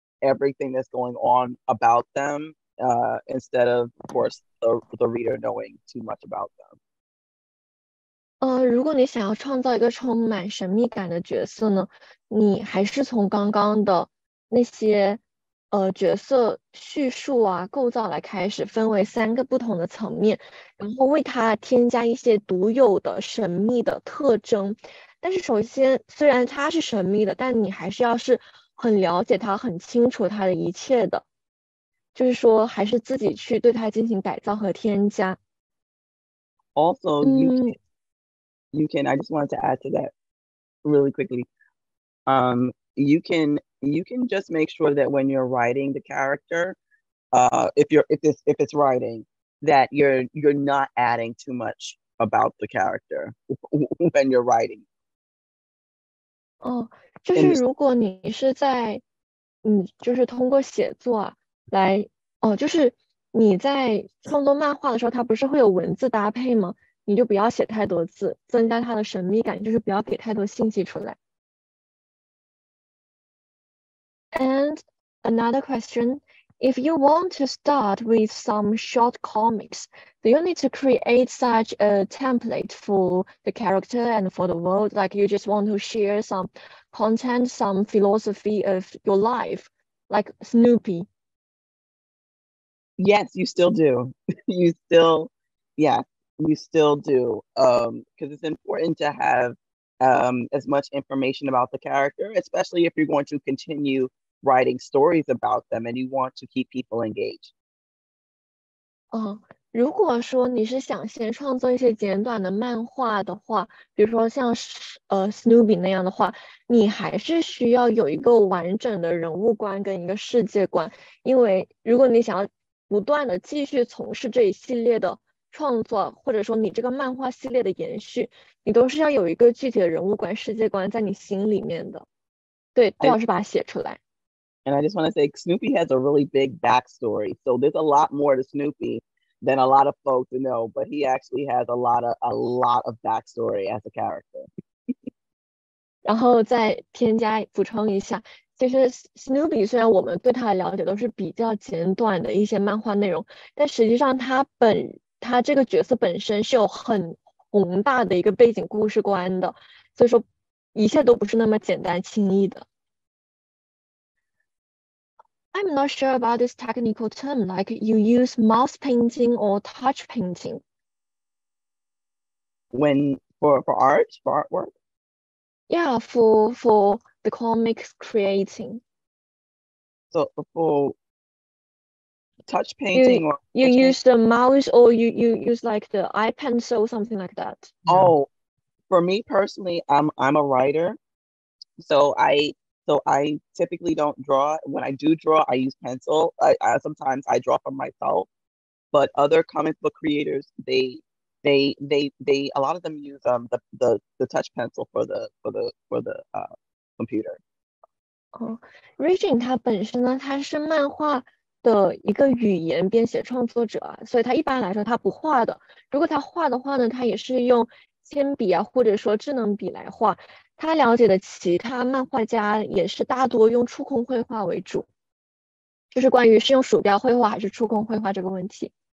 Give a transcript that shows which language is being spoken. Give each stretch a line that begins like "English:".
English: Everything that's going on about them, instead of course, the reader knowing too much about them.
Chinese: 如果你想要创造一个充满神秘感的角色呢，你还是从刚刚的那些角色叙述啊构造来开始，分为三个不同的层面，然后为它添加一些独有的神秘的特征。但是首先，虽然它是神秘的，但你还是要是。很了解他，很清楚他的一切的，就是说，还是自己去对他进行改造和添加。
English: Also, you can. I just wanted to add to that really quickly. You can just make sure that when you're writing the character, if it's writing, that you're not adding too much about the character when you're writing. Oh.
Chinese: 就是如果你是在就是通过写作来就是你在创作漫画的时候它不是会有文字搭配吗你就不要写太多字增加它的神秘感就是不要给太多信息出来。
English: And another question, If you want to start with some short comics, you need to create such a template for the character and for the world. Like you just want to share some content, some philosophy of your life, like Snoopy. Yes, you still do. You still do. Because it's important to have as much information about the character, especially if you're going to continue writing stories about them and you want to keep people engaged.
Chinese: 如果说你是想先创作一些简短的漫画的话，比如说像Snoopy 那样的话，你还是需要有一个完整的人物观跟一个世界观，因为如果你想要不断的继续从事这一系列的创作，或者说你这个漫画系列的延续，你都是要有一个具体的人物观、世界观在你心里面的。对，最好是把它写出来。
English: And I just want to say, Snoopy has a really big backstory, so there's a lot more to Snoopy than a lot of folks know, but he actually has a lot of backstory as a character.
Chinese: 然后再添加补充一下，其实 Snoopy 虽然我们对他的了解都是比较简短的一些漫画内容，但实际上他这个角色本身是有很宏大的一个背景故事观的，所以说一切都不是那么简单轻易的。
English: I'm not sure about this technical term, like you use mouse painting or touch painting. When, for art, for artwork? Yeah, for the comics creating. So for touch painting? You use the mouse or you use like the eye pencil, something like that. Oh, for me personally, I'm a writer, so I typically don't draw. When I do draw, I use pencil. I sometimes I draw from myself, but other comic book creators, they a lot of them use the touch pencil for the computer.
Chinese: Regine 他本身呢，他是漫画的一个语言编写创作者，所以他一般来说他不画的。如果他画的话呢，他也是用铅笔啊，或者说智能笔来画。他了解的其他漫画家也是大多用触控绘画为主，就是关于是用鼠标绘画还是触控绘画这个问题。